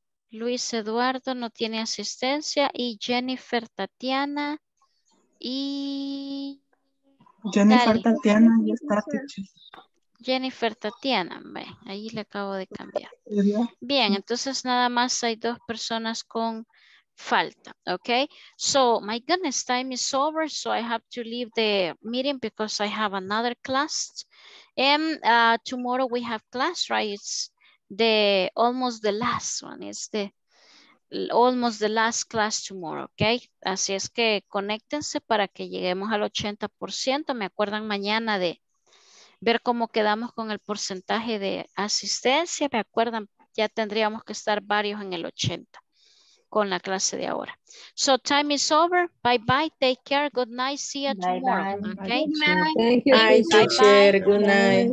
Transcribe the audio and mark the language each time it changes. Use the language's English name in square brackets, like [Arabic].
[Spanish] Luis Eduardo no tiene asistencia. Y Jennifer Tatiana. Y Jennifer Dalia. Tatiana ya está, teacher. Jennifer Tatiana, ahí le acabo de cambiar. Bien, entonces nada más hay 2 personas con falta, ¿ok? [English] So, my goodness, time is over, so I have to leave the meeting because I have another class. And tomorrow we have class, right? It's almost the last class tomorrow, ¿ok? [Spanish] Así es que conéctense para que lleguemos al 80%. Me acuerdan mañana de ver cómo quedamos con el porcentaje de asistencia. ¿Me acuerdan? Ya tendríamos que estar varios en el 80 con la clase de ahora. [English] So time is over. Bye bye. Take care. Good night. See you tomorrow. Bye. Okay. Bye. Thank you. Bye. Bye. Bye. Good night.